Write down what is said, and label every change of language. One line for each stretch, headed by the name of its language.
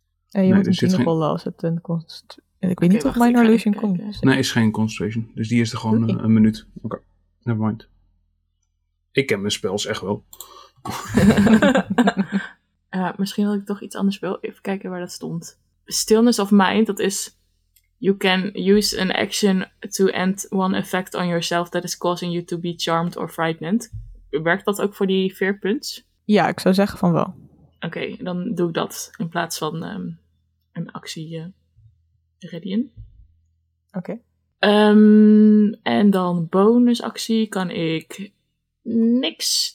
Dutch: En je moet een 10 rollen als het een concentration. Ik weet niet of minor illusion komt. Nee, is geen concentration. Dus die is er gewoon een minuut. Oké, okay.
English: Never mind.
Dutch: Ik ken mijn spels echt wel. misschien had ik toch iets anders wil. Even kijken waar dat stond. Stillness of mind, dat is.
English: You can use an action to end one effect on yourself that is causing you to be charmed or frightened.
Dutch: Werkt dat ook voor die fear punts? Ja, ik zou zeggen van wel. Oké, dan doe ik dat in plaats van een actie readyen. Oké.
English: Okay.
Dutch: En dan bonusactie kan ik niks.